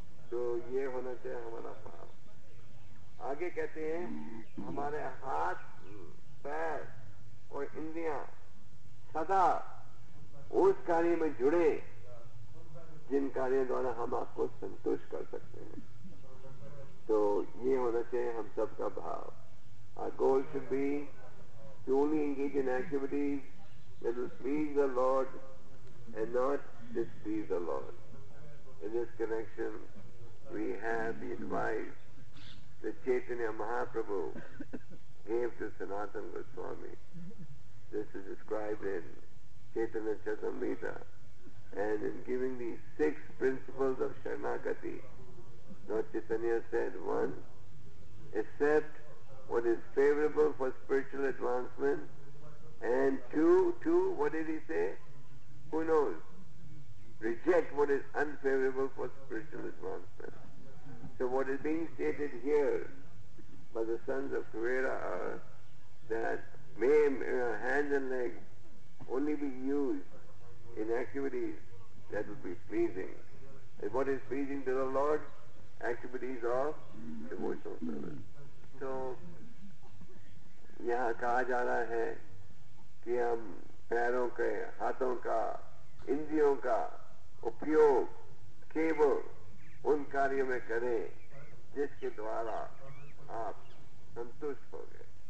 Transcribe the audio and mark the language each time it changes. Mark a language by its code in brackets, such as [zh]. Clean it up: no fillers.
[hi] तो ये होना चाहिए हमारा भाव। आगे कहते हैं हमारे हाथ पैर और इंद्रियां सदा उस कार्य में जुड़े जिन कार्यों द्वारा हम आपको संतुष्ट कर सकते हैं। तो ये होना चाहिए हम सब का भाव। [en] Our goal should be to only engage in activities that will please the Lord and not displease the Lord. In this connection, we have the advice that Chaitanya Mahaprabhu gave to Sanatana Goswami. This is described in Chaitanya Charitamrita. And in giving the six principles of Sharanagati, Lord Chaitanya said, one, accept what is favorable for spiritual advancement, and two, what did he say? Who knows? Reject what is unfavorable for spiritual advancement. So what is being stated here by the sons of Kuvera are that hands and legs only be used in activities that would be pleasing. And what is pleasing to the Lord? Activities of devotional service. [hi] So, यहाँ कहा जा रहा है कि हम पैरों के, हाथों का, इंद्रियों का उपयोग केवल उन कार्यों में करें जिसके द्वारा आप संतुष्ट हो गए।